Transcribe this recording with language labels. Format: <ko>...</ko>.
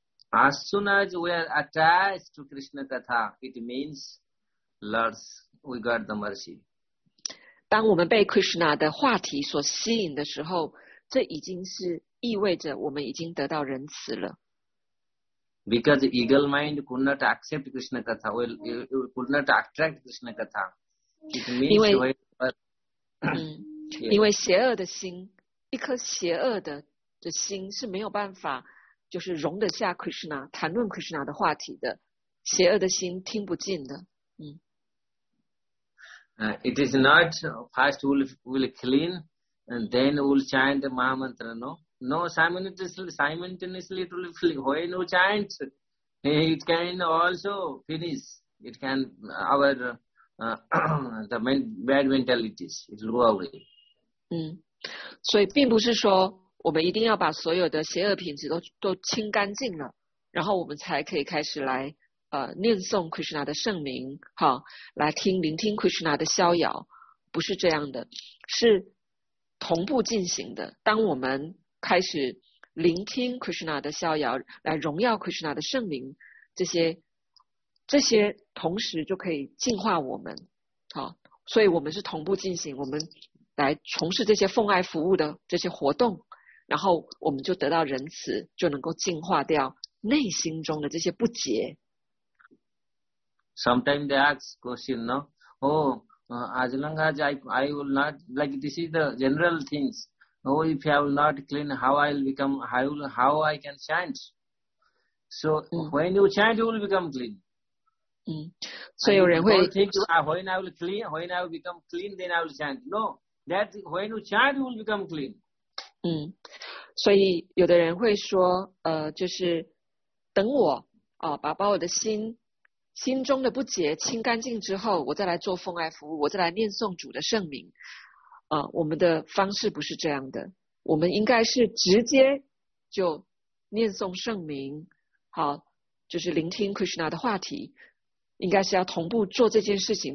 <en>As soon as we are attached to Krishna Katha, it means Lord, we got the mercy.</en> <zh>当我们被 Krishna 的话题所吸引的时候，这已经是意味着我们已经得到仁慈了。</zh> <en>Because eagle mind could not accept Krishna Katha, we could not attract Krishna Katha. It means we are...</en> <zh>因为邪恶的心，一颗邪恶 的心是没有办法就是容得下 Krishna 谈论 Krishna 的话题的，邪恶的心听不进的。</zh> <en>It is not first we'll clean and then we'll chant the Maha Mantra. No, simultaneously it will clean. When we chant, it can also finish. It can our the bad mentalities, it will go away.</en> <zh>所以并不是说我们一定要把所有的邪恶品质 都清干净了，然后我们才可以开始来念诵 Krishna 的圣名，来聆听 Krishna 的逍遥，不是这样的，是同步进行的。当我们开始聆听 Krishna 的逍遥，来荣耀 Krishna 的圣名，这些同时就可以净化我们，所以我们是同步进行，我们来从事这些奉爱服务的这些活动，然后我们就得到仁慈，就能够净化掉内心中的这些不洁。</zh> <en>Sometimes they ask question, no? As long as I will not, like this is the general things. Oh, if I will not clean, how I will become, how I can chant? So, when you chant, you will become clean.</en> <zh>所以有人会</zh> <en>think, when I will clean, when I will become clean, then I will chant. No. That when you chant, you will become clean.</en> <zh>所以有的人会说，就是等我把我的心中的不洁清干净之后，我再来做奉爱服务，我再来念诵主的圣名。我们的方式不是这样的，我们应该是直接就念诵圣名，就是聆听 Krishna 的话题，应该是要同步做这件事情。</zh>